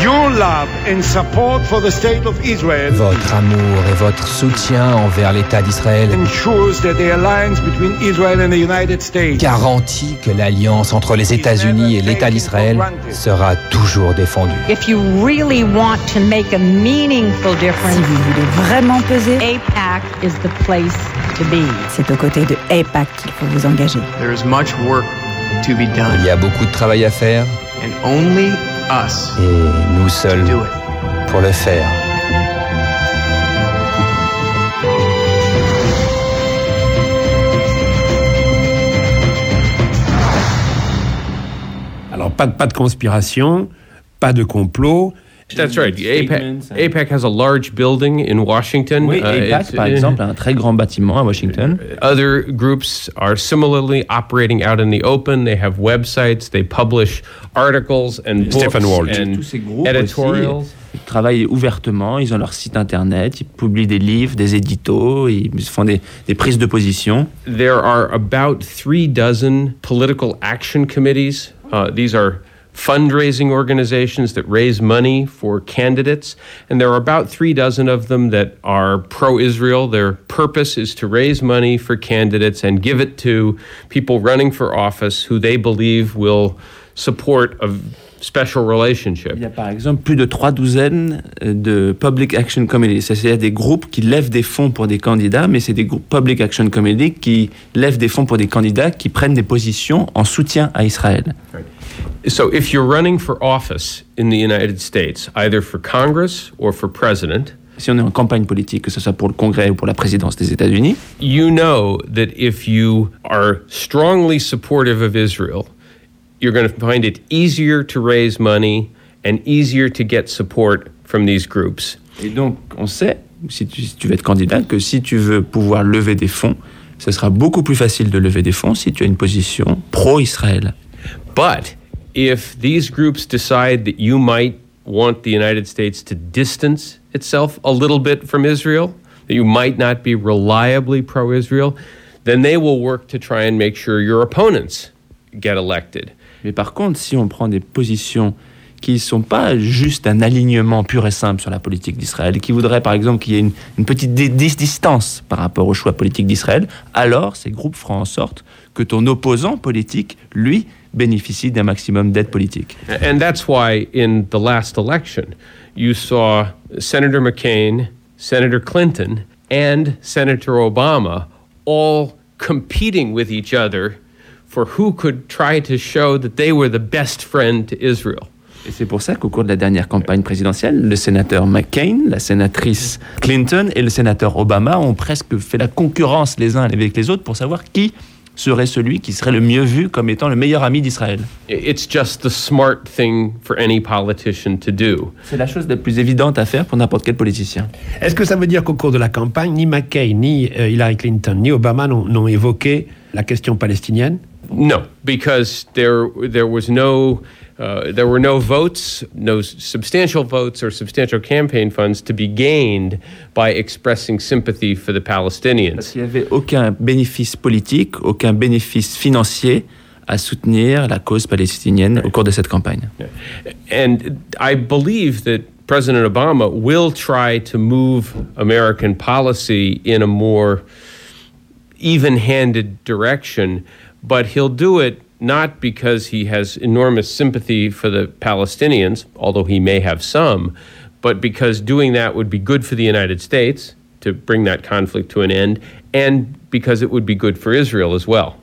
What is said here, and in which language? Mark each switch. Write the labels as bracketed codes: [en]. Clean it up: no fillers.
[en] Your love and support for the state of Israel. [fr] Votre amour et votre soutien envers l'État d'Israël [en] ensures that the alliance between Israel and the United States [fr] garantit que l'alliance entre les États-Unis et l'État d'Israël sera toujours défendue. [en] If you really want to make a meaningful difference, [fr] si vous voulez vraiment peser, [en] APAC is the place to be. [fr] C'est aux côtés de APAC qu'il faut vous engager. [en] There is much work to be done. [fr] Il y a beaucoup de travail à faire. [en] And only us. [fr] Et nous seuls pour le faire. Alors, pas de conspiration, pas de complot. [en] That's right. APAC has a large building in Washington. [fr] Oui, APAC, par exemple, a un très grand bâtiment à Washington. [en] Other groups are similarly operating out in the open. They have websites, they publish articles and books Stephen Walt. And [fr] tous ces groupes editorials. Aussi, ils travaillent ouvertement, ils ont leur site internet, ils publient des livres, des éditos, ils font des prises de position. [en] There are about 36 political action committees. These are fundraising organizations that raise money for candidates, and there are about 36 of them that are pro-Israel. Their purpose is to raise money for candidates and give it to people running for office who they believe will support a special relationship. [fr] Il y a par exemple plus de 36 de public action committees. C'est-à-dire des groupes qui lèvent des fonds pour des candidats, mais c'est des groupes public action committees qui lèvent des fonds pour des candidats qui prennent des positions en soutien à Israël. [en] Right. So if you're running for office in the United States, either for Congress or for president, [fr] si on est en campagne politique, que ce soit pour le Congrès ou pour la présidence des États-Unis, [en] you know that if you are strongly supportive of Israel, you're going to find it easier to raise money and easier to get support from these groups. [fr] Et donc, on sait, si tu veux être candidat, que si tu veux pouvoir lever des fonds, ce sera beaucoup plus facile de lever des fonds si tu as une position pro-Israël. [en] But if these groups decide that you might want the United States to distance itself a little bit from Israel, that you might not be reliably pro-Israel, then they will work to try and make sure your opponents get elected. [fr] Mais par contre, si on prend des positions qui ne sont pas juste un alignement pur et simple sur la politique d'Israël, qui voudraient par exemple qu'il y ait une petite distance par rapport au choix politique d'Israël, alors ces groupes feront en sorte que ton opposant politique, lui, bénéficie d'un maximum d'aide politique. [en] And that's why in the last election, you saw Senator McCain, Senator Clinton and Senator Obama all competing with each other for who could try to show that they were the best friend to Israel. [fr] Et c'est pour ça qu'au cours de la dernière campagne présidentielle, le sénateur McCain, la sénatrice Clinton et le sénateur Obama ont presque fait la concurrence les uns avec les autres pour savoir qui serait celui qui serait le mieux vu comme étant le meilleur ami d'Israël. [en] It's just the smart thing for any politician to do. [fr] C'est la chose la plus évidente à faire pour n'importe quel politicien. Est-ce que ça veut dire qu'au cours de la campagne, ni McCain, ni Hillary Clinton, ni Obama n'ont évoqué la question palestinienne? [en] Non, because there was no... there were no votes, no substantial votes or substantial campaign funds to be gained by expressing sympathy for the Palestinians. [fr] Parce qu'il n'y avait aucun bénéfice politique, aucun bénéfice financier à soutenir la cause palestinienne au cours de cette campagne. [en] And I believe that President Obama will try to move American policy in a more even-handed direction, but he'll do it not because he has enormous sympathy for the Palestinians, although he may have some, but because doing that would be good for the United States to bring that conflict to an end, and because it would be good for Israel as well.